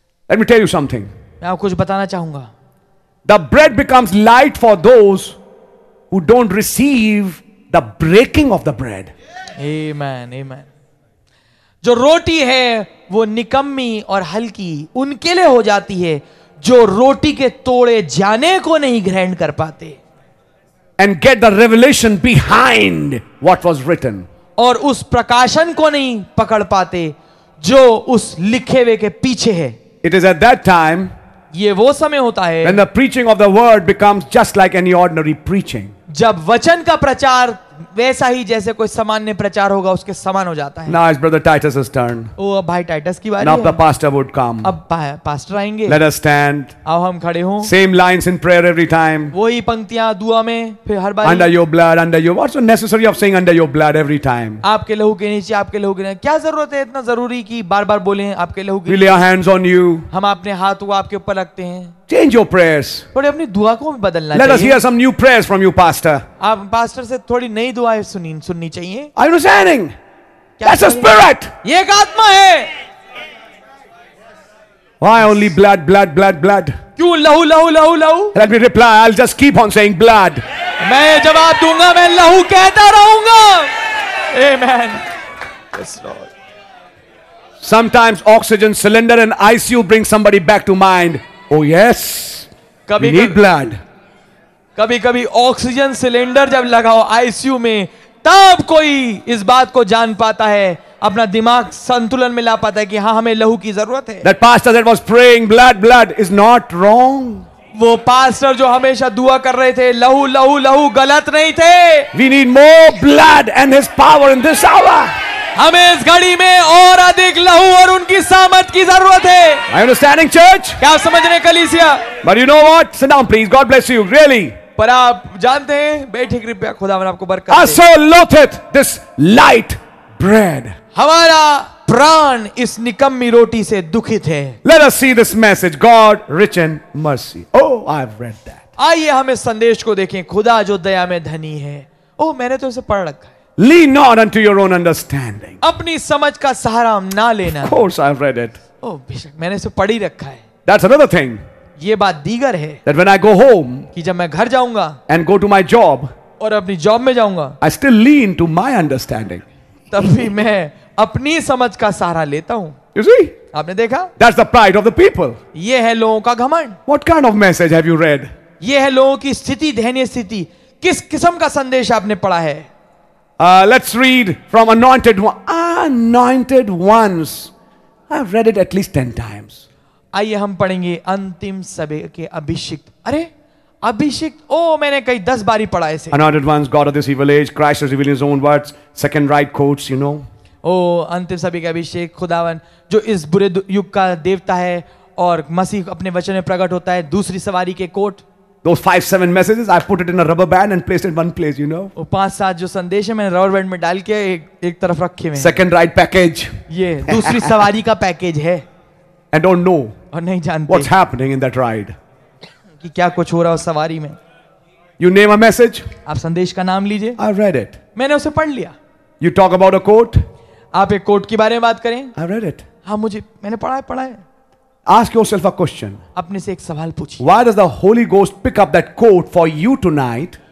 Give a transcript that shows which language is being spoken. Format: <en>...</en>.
<en>Let me tell you something.</en> <hi>मैं आपको कुछ बताना चाहूंगा.</hi> <en>The bread becomes light for those who don't receive the breaking of the bread. Amen, amen.</en> <hi>जो रोटी है वो निकम्मी और हल्की उनके लिए हो जाती है जो रोटी के तोड़े जाने को नहीं ग्रहण कर पाते.</hi> <en>And get the revelation behind what was written.</en> <hi>और उस प्रकाशन को नहीं पकड़ पाते जो उस लिखे हुए के पीछे है.</hi> <en>It is at that time.</en> <hi>ये वो समय होता है.</hi> <en>When the preaching of the word becomes just like any ordinary preaching.</en> <hi>जब वचन का प्रचार वैसा ही जैसे कोई सामान्य प्रचार होगा उसके समान हो जाता है.</hi> <en>Now it's brother Titus's turn.</en> <hi>ओ भाई टाइटस की बारी है.</hi> <en>Now the pastor would come.</en> <hi>अब पास्टर आएंगे.</hi> <en>Let us stand.</en> <hi>आओ हम खड़े हों.</hi> <en>Same lines in prayer every time.</en> <hi>वही पंक्तियां दुआ में फिर हर बार.</hi> <en>Under your blood, under your what's necessary of saying under your blood every time.</en> <hi>आपके लहू के नीचे, आपके लहू के नीचे. क्या जरूरत है इतना जरूरी कि बार-बार बोलें आपके लहू के नीचे.</hi> <en>We lay our hands on you.</en> <hi>हम अपने हाथों को आपके ऊपर रखते हैं.</hi> <en>Change your prayers.</en> <hi>थोड़ी अपनी दुआ को भी बदलना.</hi> <en>Let us hear some new prayers from you, pastor.</en> <hi>आप पास्टर से थोड़ी नई दुआएं सुननी चाहिए.</hi> <en>I'm understanding. That's a spirit.</en> <hi>ये एक आत्मा है.</hi> <en>Why only blood, blood, blood, blood?</en> <hi>क्यों लहू लहू लहू लहू?</hi> <en>Let me reply. I'll just keep on saying blood.</en> <hi>मैं जवाब दूंगा. मैं लहू कहता रहूंगा.</hi> <en>Amen. Yes, Lord. Sometimes oxygen cylinder and ICU bring somebody back to mind. Oh yes.</en> <hi>कभी</hi> <en>we need blood.</en> <hi>कभी कभी ऑक्सीजन सिलेंडर जब लगाओ आईसीयू में तब कोई इस बात को जान पाता है, अपना दिमाग संतुलन में ला पाता है कि हाँ हमें लहू की जरूरत है.</hi> <en>That pastor that was praying blood blood is not wrong.</en> <hi>वो पास्टर जो हमेशा दुआ कर रहे थे लहू लहू लहू गलत नहीं थे.</hi> <en>We need more blood and his power in this hour.</en> <hi>हमें इस घड़ी में और अधिक लहू और उनकी सामर्थ की जरूरत है.</hi> <en>Are you understanding, church?</en> <hi>क्या आप समझ रहे कलीसिया?</hi> <en>But you know what? Sit down, please. God bless you. Really.</en> <hi>पर आप जानते हैं बैठे कृपया खुदा आपको बरकत.</hi> <en>I so loathed this light bread.</en> <hi>हमारा प्राण इस निकम्मी रोटी से दुखित है.</hi> <en>Let us see this message. God rich in mercy. Oh, I've read that.</en> <hi>आइए हम इस संदेश को देखें. खुदा जो दया में धनी है. ओ मैंने तो इसे पढ़ रखा.</hi> <en>Lean not unto your own understanding.</en> <hi>अपनी समझ का सहारा ना लेना.</hi> <en>Of course, I've read it.</en> <hi>Oh, बेशक मैंने इसे पढ़ी रखा है.</hi> <en>That's another thing.</en> <hi>ये बात दीगर है.</hi> <en>That when I go home,</en> <hi>कि जब मैं घर जाऊंगा,</hi> <en>and go to my job,</en> <hi>और अपनी जॉब में जाऊंगा,</hi> <en>I still lean to my understanding.</en> <hi>तब भी मैं अपनी समझ का सहारा लेता हूँ.</hi> <en>You see?</en> <hi>आपने देखा?</hi> <en>That's the pride of the people.</en> <hi>ये है लोगों का घमंड.</hi> <en>What kind of message have you read?</en> <hi>ये है लोगों की स्थिति, दयनीय स्थिति. किस किस्म का संदेश आपने पढ़ा है?</hi> <en>Let's read from Anointed One. Ah, anointed ones. I've read it at least 10 times.</en> <hi>आइए हम पढ़ेंगे अंतिम सभे के अभिषेक. अरे अभिषेक, ओ मैंने कई 10 बार ही पढ़ा इसे.</hi> <en>Anointed ones, God of this evil age, Christ has revealed his own words, second right quotes, you know.</en> <hi>ओ अंतिम सभे के अभिषेक, खुदावन जो इस बुरे युग का देवता है और मसीह अपने वचन में प्रकट होता है, दूसरी सवारी के coat.</hi> <en>Those 5-7 messages, I put it in a rubber band and placed it in one place, you know.</en> <hi>Five-seven जो संदेश हैं मैंने रबर बैंड में डाल के एक तरफ रखे हैं.</hi> <en>Second ride package.</en> <hi>ये दूसरी सवारी का पैकेज है.</hi> <en>And don't know.</en> <hi>और नहीं जानते.</hi> <en>What's happening in that ride?</en> <hi>कि क्या कुछ हो रहा है उस सवारी में.</hi> <en>You name a message.</en> <hi>आप संदेश का नाम लीजिए.</hi> <en>I read it.</en> <hi>मैंने उसे पढ़ लिया.</hi> <en>You talk about a quote.</en> <hi>आप एक quote के बारे में बात करें.</hi> <en>I read it.</en> <hi>हाँ मुझे मैंने पढ़ा है.</hi> <en>Ask yourself a question.</en> <hi>अपने से एक सवाल पूछिए.</hi> <en>Why does the Holy Ghost pick up that coat for you tonight?</en>